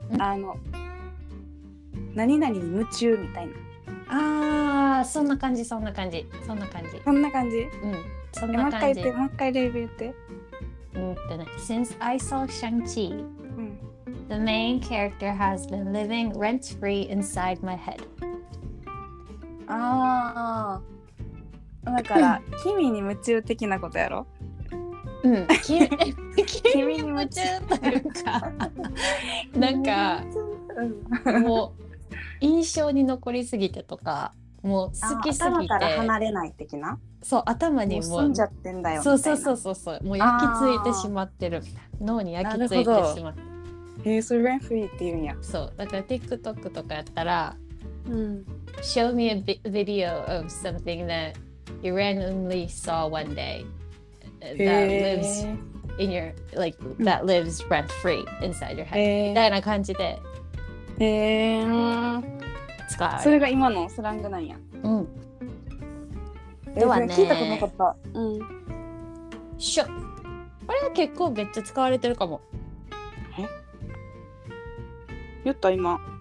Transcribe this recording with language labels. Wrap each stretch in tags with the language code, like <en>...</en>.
<ja>あの、何々に夢中みたいな。あー、そんな感じ、そんな感じ、そんな感じ、そんな感じ。うん、そんな感じ。もう一回言って、もう一回レビュー言って。うんってね、</ja> <en>Since I saw Shang-Chi、</en> <ja>うん、</ja> <en>The main character has been living rent-free inside my head。</en> <ja>あー、だから君に夢中的なことやろ。うん、君に夢中というかなんか、うん、もう印象に残りすぎてとか、もう好きすぎて頭から離れない的な。そう、頭にもう住んじゃってんだよ。そうそうそうそう、もう焼き付いてしまってる、脳に焼き付いてしまって。へー、それレンフリーって言うんや。そう、だから TikTok とかやったら、うん、</ja> <en>Show me a video of something that you randomly saw one day that lives in your like that lives rent free inside your head</en> <ja>みたいな感じで。へえ、それが今のスラングなんや。うん、ではね、聞いたことなかった。うん、しょ、これは結構めっちゃ使われてるかも。え、言った今。</ja>